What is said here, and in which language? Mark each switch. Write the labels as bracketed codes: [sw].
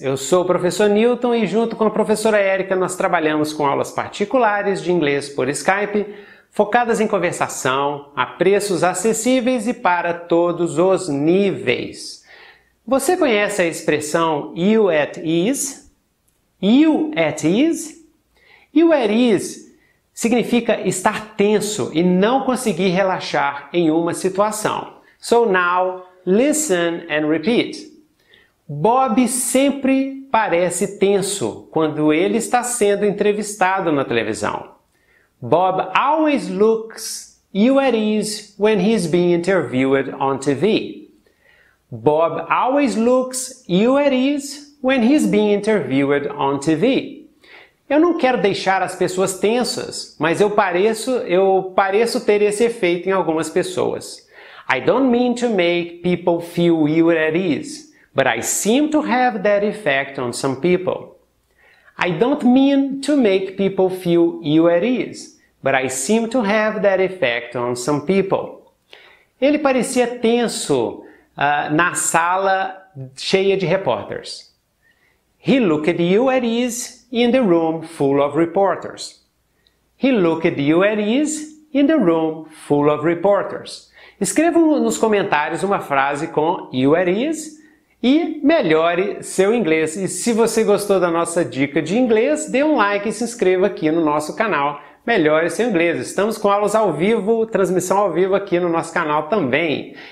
[pt] Eu sou o professor Newton e junto com a professora Erika nós trabalhamos com aulas particulares de inglês por Skype, focadas em conversação, a preços acessíveis e para todos os níveis. Você conhece a expressão [en] you at ease? You at ease? You at ease [pt] significa estar tenso e não conseguir relaxar em uma situação. [en] So now, listen and repeat. [pt] Bob sempre parece tenso quando ele está sendo entrevistado na televisão. [en] Bob always looks ill at ease when he's being interviewed on TV. Bob always looks ill at ease when he's being interviewed on TV. [pt] Eu não quero deixar as pessoas tensas, mas eu pareço ter esse efeito em algumas pessoas. [en] I don't mean to make people feel ill at ease, but I seem to have that effect on some people. I don't mean to make people feel ill at ease, but I seem to have that effect on some people. [pt] Ele parecia tenso na sala cheia de repórteres. [en] He looked ill at ease in the room full of reporters. He looked ill at ease in the room full of reporters. [pt] Escreva nos comentários uma frase com [en] you at ease [pt] e melhore seu inglês. E se você gostou da nossa dica de inglês, dê um like e se inscreva aqui no nosso canal Melhore Seu Inglês. Estamos com aulas ao vivo, transmissão ao vivo aqui no nosso canal também.